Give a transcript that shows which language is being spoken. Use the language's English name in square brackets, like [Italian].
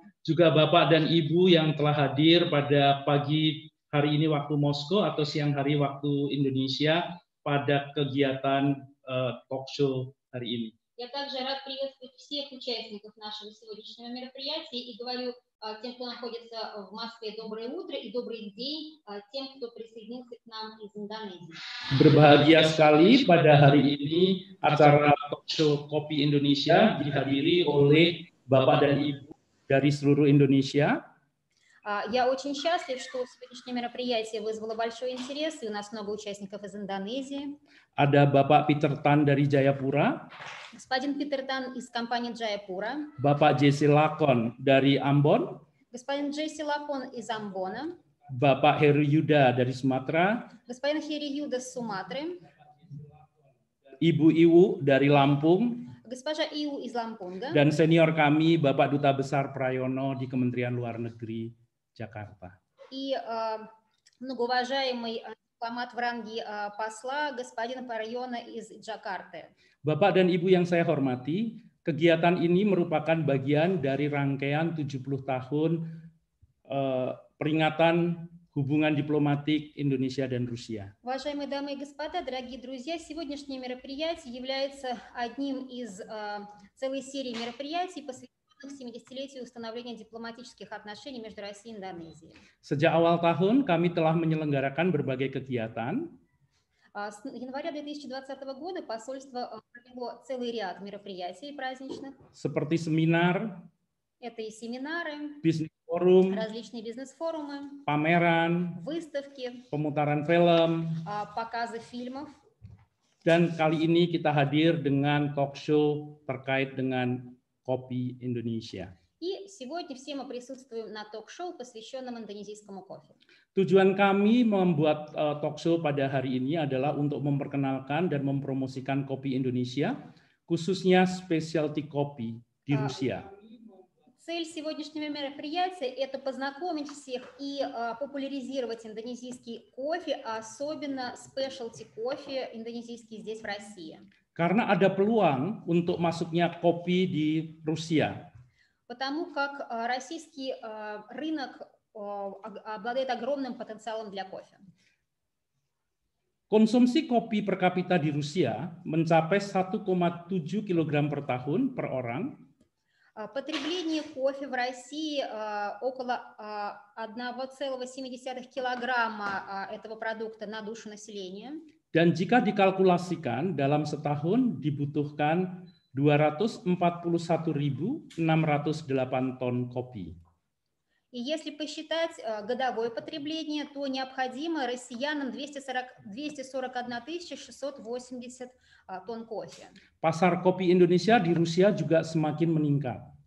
[Indonesian] Juga Bapak dan Ibu yang telah hadir pada pagi hari ini waktu Moskow atau siang hari waktu Indonesia pada kegiatan talk show hari ini. [Russian] Я также рад приветствовать всех участников нашего сегодняшнего мероприятия и говорю тем, кто находится в Москве, доброе утро и добрый день тем, кто присоединился к нам из Индонезии. [Indonesian] Berbahagia sekali pada hari ini acara talk show Kopi Indonesia dihadiri oleh Bapak dan Ibu dari seluruh Indonesia. [Russian] Я очень счастлив, что сегодняшнее мероприятие вызвало большой интерес, и у нас много участников из Индонезии. [Indonesian] Ada Bapak Peter Tan dari Jayapura. [Russian] Господин Питер Тан из компании Jayapura. [Indonesian] Bapak Jesse Lakon dari Ambon. [Russian] Господин Джесси Лакон из Амбона. [Indonesian] Bapak Heru Yuda dari Sumatera. [Russian] Господин Хери Юда из Суматры. [Indonesian] Ibu Iwu dari Lampung. [Russian] Госпожа Иу из Лампунга. [Indonesian] Dan senior kami Bapak Duta Besar Prayono di Kementerian Luar Negeri Jakarta. [Russian] И многоуважаемый Pamat Vrangi Pasla, Gospodin Paryona iz Jakarta. [Indonesian] Bapak dan Ibu yang saya hormati, kegiatan ini merupakan bagian dari rangkaian 70 tahun peringatan hubungan diplomatik Indonesia dan Rusia. [Russian] Уважаемые дамы и господа, дорогие друзья, сегодняшнее мероприятие является одним из целой серии мероприятий, посвященных 70-летию установления дипломатических отношений между Россией и Индонезией. [Indonesian] Sejak awal tahun kami telah menyelenggarakan berbagai kegiatan. [Russian] С января 2020 года посольство провело целый ряд мероприятий праздничных. [Indonesian] Seperti семинар. [Russian] Это и семинары. Бизнес форум, различные бизнес-форумы, [Indonesian] pameran, [Russian] выставки, [Indonesian] pemutaran film, [Russian] показы фильмов. [Indonesian] Dan kali ini kita hadir dengan talk show terkait dengan kopi Indonesia. [Russian] И сегодня все мы присутствуем на ток-шоу, посвященном индонезийскому кофе. [Indonesian] Tujuan kami membuat talk show pada hari ini adalah untuk memperkenalkan dan mempromosikan kopi Indonesia, khususnya specialty kopi di Rusia. [Russian] Цель сегодняшнего мероприятия – это познакомить всех и популяризировать индонезийский кофе, особенно specialty кофе индонезийский здесь, в России. [Indonesian] Karena ada peluang untuk masuknya kopi di Rusia. [Russian] Потому как российский рынок обладает огромным потенциалом для кофе. [Indonesian] Konsumsi kopi per kapita di Rusia mencapai 1,7 kg per tahun per orang. [Russian] Потребление кофе в России около 1,7 килограмма этого продукта на душу населения. [Indonesian] Dan jika dikalkulasikan dalam setahun dibutuhkan 241.608 ton kopi. [Russian] И если посчитать годовое потребление, то необходимо россиянам 241.680 тонн кофе. [Indonesian] Pasar kopi Indonesia di Rusia juga semakin meningkat.